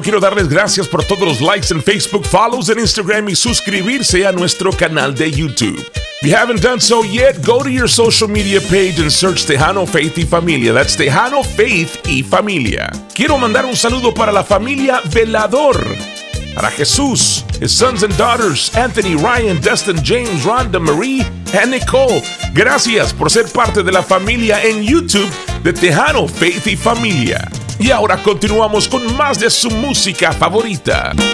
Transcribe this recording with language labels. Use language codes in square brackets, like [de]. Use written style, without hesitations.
[es] Quiero darles gracias por todos los likes en Facebook, follows en Instagram y suscribirse a nuestro canal de YouTube. [en] If you haven't done so yet, go to your social media page and search Tejano, Faith y Familia. That's [es] Tejano, Faith y Familia. Quiero mandar un saludo para la familia Velador. Para [en] Jesús, his sons and daughters, Anthony, Ryan, Dustin, James, Rhonda, Marie, and Nicole. [es] Gracias por ser parte de la familia en YouTube de Tejano, Faith y Familia. Y ahora continuamos con más de su música favorita.